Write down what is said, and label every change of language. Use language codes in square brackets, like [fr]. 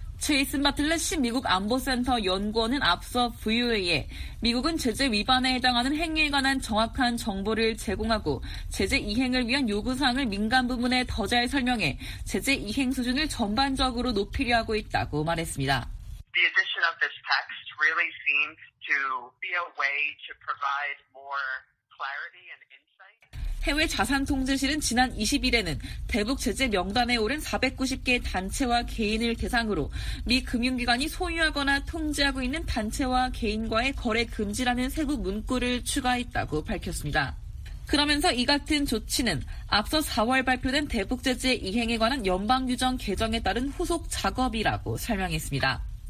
[ko] 제이슨 바틀렛 시 미국 안보센터 연구원은 앞서 VOA에 미국은 제재 위반에 해당하는 행위에 관한 정확한 정보를 제공하고 제재 이행을 위한 요구사항을 민간 부문에 더 잘 설명해 제재 이행 수준을 전반적으로 높이려 하고 있다고 말했습니다. [en] The addition of this text really seems to be a way to provide more clarity and insight. [ko] 해외 자산통제실은 지난 20일에는 대북 제재 명단에 오른 490개 단체와 개인을 대상으로 미 금융기관이 소유하거나 통제하고 있는 단체와 개인과의 거래 금지라는 세부 문구를 추가했다고 밝혔습니다. 그러면서 이 같은 조치는 앞서 4월 발표된 대북 제재 이행에 관한 연방규정 개정에 따른 후속 작업이라고 설명했습니다.